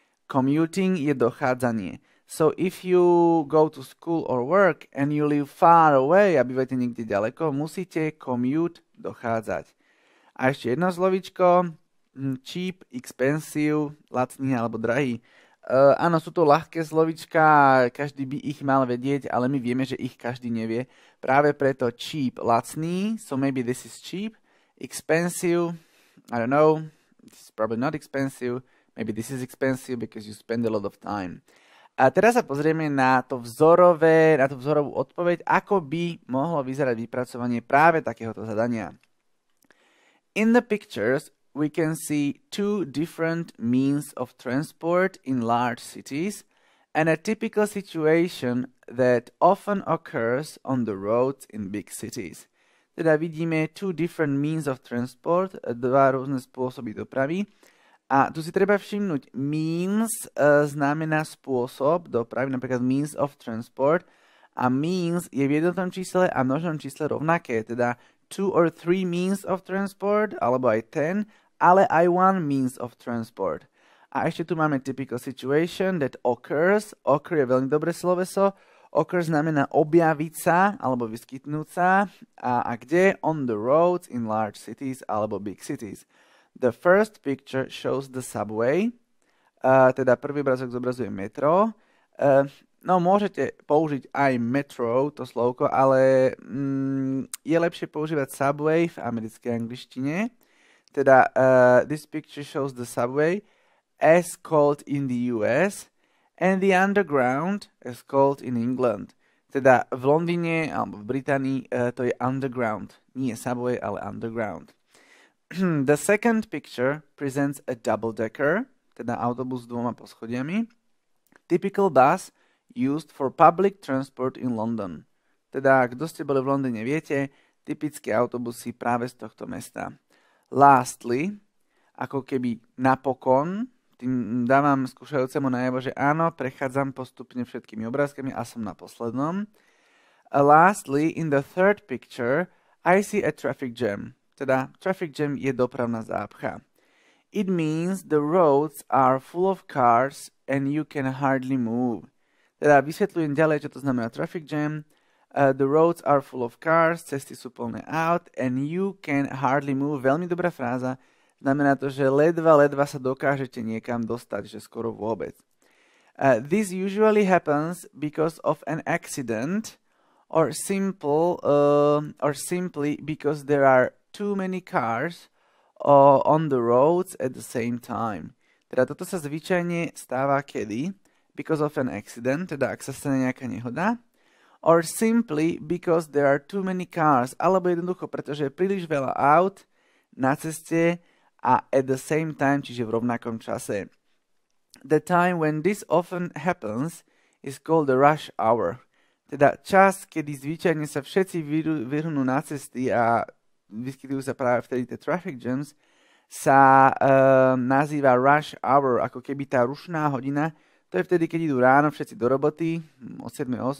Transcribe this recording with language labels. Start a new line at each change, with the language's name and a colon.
Slovak: Commuting je dochádzanie.
English: So if you go to school or work and you live far away
Slovak: a bývate niekde ďaleko, musíte commute dochádzať. A ešte jedno slovíčko. Cheap, expensive, lacný alebo drahý. Áno, sú to ľahké slovíčka, každý by ich mal vedieť, ale my vieme, že ich každý nevie. Práve preto cheap, lacný,
English: so maybe this is cheap. Expensive, I don't know, this is probably not expensive. Maybe this is expensive because you spend a lot of time.
Slovak: A teraz sa pozrieme na to vzorové, na tú vzorovú odpoveď, ako by mohlo vyzerať vypracovanie práve takéhoto zadania.
English: In the pictures we can see two different means of transport in large cities and a typical situation that often occurs on the roads in big cities.
Slovak: Teda vidíme
English: two different means of transport,
Slovak: dva rôzne spôsoby dopravy. A tu si treba všimnúť, means znamená spôsob dopravy, napríklad means of transport. A means je v jednotnom čísle a množnom čísle rovnaké, teda
English: two or three means of transport,
Slovak: alebo aj ten, ale aj
English: one means of transport.
Slovak: A ešte tu máme
English: typical situation that occurs.
Slovak: Occur je veľmi dobré sloveso. Occur znamená objaviť sa, alebo vyskytnúť sa. A kde?
English: On the roads, in large cities, alebo big cities. The first picture shows the subway.
Slovak: Teda prvý obrázok zobrazuje metro. No, môžete použiť aj metro, to slovko, ale je lepšie používať subway v americkej angličtine. Teda
English: this picture shows the subway. as cold in the US and the underground as cold in England.
Slovak: Teda v Londýne alebo v Británii to je underground. Nie subway, ale underground.
English: The second picture presents a double-decker,
Slovak: teda autobus s dvoma poschodiami.
English: Typical bus used for public transport in London.
Slovak: Teda, kto ste boli v Londýne, viete, typické autobusy práve z tohto mesta. Lastly, ako keby napokon, tým dávam skúšajúcemu najavo, že áno, prechádzam postupne všetkými obrázkami a som na poslednom.
English: Lastly, in the third picture, I see a traffic jam.
Slovak: Teda, traffic jam je dopravná zápcha.
English: It means the roads are full of cars and you can hardly move.
Slovak: Teda, vysvetľujem ďalej, čo to znamená traffic jam.
English: The roads are full of cars,
Slovak: cesty sú plné aut
English: and you can hardly move.
Slovak: Veľmi dobrá fráza. Znamená to, že ledva sa dokážete niekam dostať, že skoro vôbec.
English: This usually happens because of an accident or simply because there are too many cars on the roads at the same time.
Slovak: Teda toto sa zvyčajne stáva kedy?
English: Because of an accident,
Slovak: teda ak sa stane nejaká nehoda.
English: Or simply because there are too many cars.
Slovak: Alebo jednoducho, pretože je príliš veľa aut na ceste a
English: at the same time,
Slovak: čiže v rovnakom čase.
English: The time when this often happens is called the rush hour.
Slovak: Teda čas, kedy zvyčajne sa všetci vyhrnú na cesty a vyskytujú sa práve vtedy tie traffic jams, sa nazýva rush hour, ako keby tá rušná hodina. To je vtedy, keď idú ráno všetci do roboty, od 7.